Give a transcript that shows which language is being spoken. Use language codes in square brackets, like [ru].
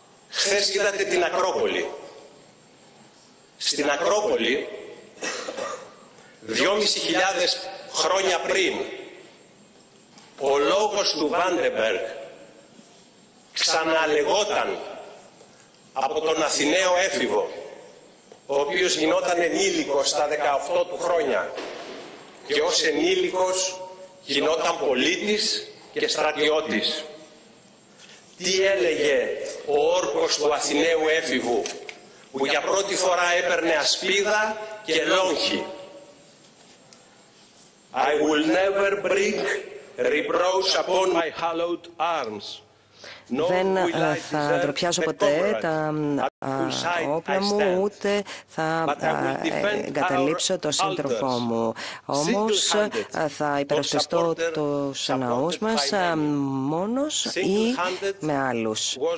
[el] Χθες είδατε την Ακρόπολη. Στην Ακρόπολη, 2.500 χρόνια πριν, ο λόγος του Βάντεμπεργκ ξαναλεγόταν από τον Αθηναίο έφηβο, ο οποίος γινόταν ενήλικος στα 18 του χρόνια και ως ενήλικος γινόταν πολίτης και στρατιώτης. Τι έλεγε ο όρκος του Αθηναίου έφηβου που για πρώτη φορά έπαιρνε ασπίδα και λόγχη? [en] I will never bring reproach upon my hallowed arms. [el] Δεν θα ντροπιάσω ποτέ τα όπλα μου, ούτε θα εγκαταλείψω τον σύντροφό μου. Όμως θα υπερασπιστώ τους ναούς μας μόνος ή με άλλους.